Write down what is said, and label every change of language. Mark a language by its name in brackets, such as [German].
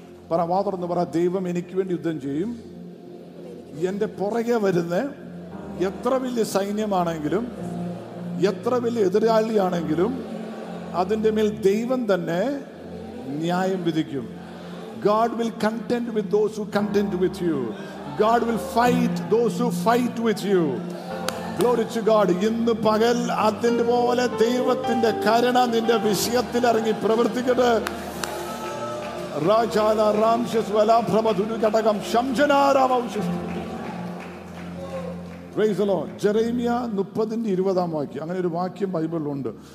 [Malayalam] പറ വാ തുറന്ന് പറ, ദൈവം എനിക്ക് വേണ്ടി യുദ്ധം ചെയ്യും. എന്റെ പുറകെ വരുന്ന എത്ര വലിയ സൈന്യമാണെങ്കിലും എത്ര വലിയ എതിരാളിയാണെങ്കിലും അതിന്റെ മേൽ ദൈവം തന്നെ ന്യായം വിധിക്കും. [English] God will contend with those who contend with you. God will fight those who fight with you. Glory to God. [Malayalam] ഇന്നു പകൽ അതിന്റെ പോലെ ദൈവത്തിന്റെ കരുണ നിന്റെ വിഷയത്തിൽ ഇറങ്ങി പ്രവർത്തിക്കട്ടെ. രാജാന രാംശസ് വലാഭ്രമധുനു ഘടകം ശംജനാരാമൗശസ്. [English] Praise the Lord. [Malayalam] ജെറേമിയ 30ന്റെ 20ാം വാക്യം, അങ്ങനെ ഒരു വാക്യം ബൈബിളിൽ ഉണ്ട്.